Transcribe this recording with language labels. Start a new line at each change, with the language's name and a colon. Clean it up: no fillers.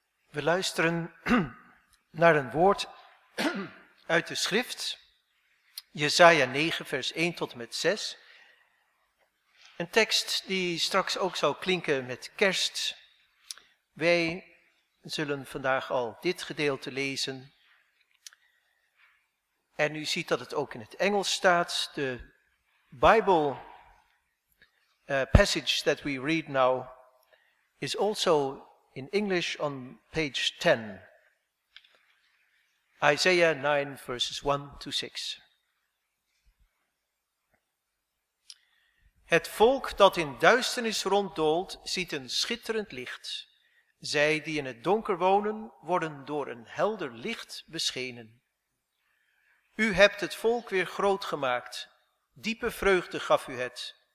Dutch: We luisteren naar een woord uit de schrift, Jesaja 9, vers 1 tot en met 6. Een tekst die straks ook zal klinken met kerst. Wij zullen vandaag al dit gedeelte lezen. En u ziet dat het ook in het Engels staat.
English: De Bible passage that we read now is also in English on page 10, Isaiah 9, verses 1 to 6.
Dutch: Het volk dat in duisternis ronddoolt, ziet een schitterend licht. Zij die in het donker wonen, worden door een helder licht beschenen. U hebt het volk weer groot gemaakt. Diepe vreugde gaf u het.